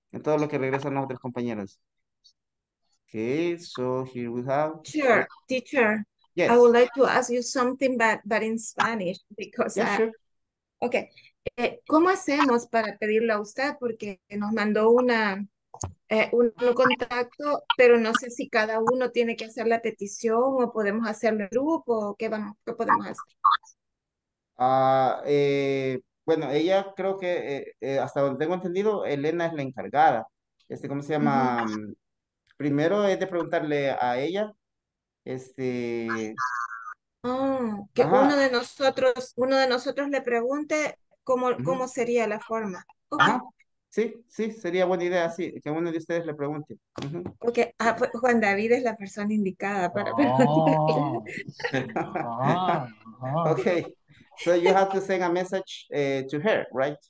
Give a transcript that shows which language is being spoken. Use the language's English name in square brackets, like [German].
[Spanish] En todo lo que regresan los otros compañeros. [English] Okay, so here we have... Teacher, teacher. Yes. I would like to ask you something, but in Spanish, because... Yeah, [Spanish] Okay. ¿Cómo hacemos para pedirle a usted? Porque nos mandó una, un contacto, pero no sé si cada uno tiene que hacer la petición o podemos hacerlo en grupo, o qué, vamos, qué podemos hacer. Bueno, ella creo que, hasta donde tengo entendido, Elena es la encargada. Este, ¿cómo se llama? Uh-huh. Primero es de preguntarle a ella. Este... Oh, que ajá. uno de nosotros le pregunte cómo, uh-huh. cómo sería la forma. Okay. Sí, sería buena idea, sí, que uno de ustedes le pregunte. Uh-huh. Okay. Ah, pues Juan David es la persona indicada para preguntarle. Ok. [English] So you have to send a message to her, right?